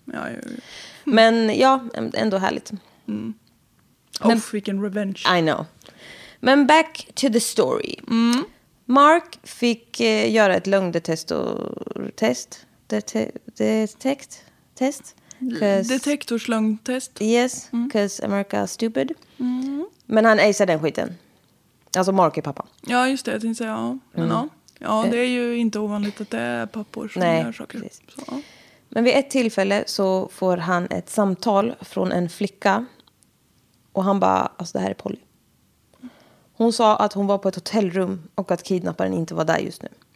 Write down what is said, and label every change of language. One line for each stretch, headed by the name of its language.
Swedish: ja, men, ja ändå härligt. Mm. Men, off, vilken revenge.
English: I know.
Swedish: Men
English: back to the story. Mm.
Swedish: Mark fick göra ett lögndetektortest. Detektortest. Detektorslögntest.
English: Yes, because America is stupid. Mm.
Swedish: Men han acer den skiten. Alltså Mark är pappa. Ja, just det. Jag tänkte säga ja. Men ja, det är ju inte ovanligt att det är pappor som gör saker. Precis. Så. Men vid ett tillfälle så får han ett samtal från en flicka. Och han bara, alltså det här är Polly. Hon sa att hon var på ett hotellrum och att kidnapparen inte var där just nu.